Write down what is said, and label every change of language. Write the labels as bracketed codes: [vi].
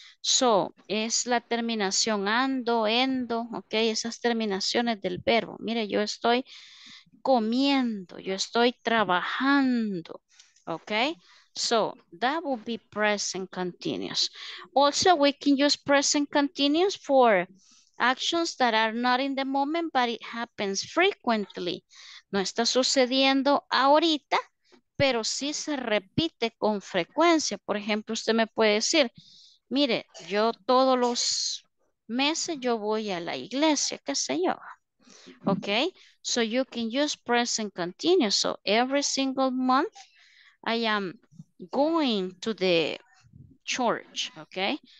[es] So, es la terminación ando, endo, ok, esas terminaciones del verbo, mire, yo estoy comiendo, yo estoy trabajando. [en] Okay, so that would be present continuous. Also, we can use present continuous for actions that are not in the moment, but it happens frequently. [es] No está sucediendo ahorita, pero sí se repite con frecuencia. Por ejemplo, usted me puede decir, mire, yo todos los meses yo voy a la iglesia, qué sé yo. [en] Okay, so you can use present continuous. So every single month, I am going to the church, okay?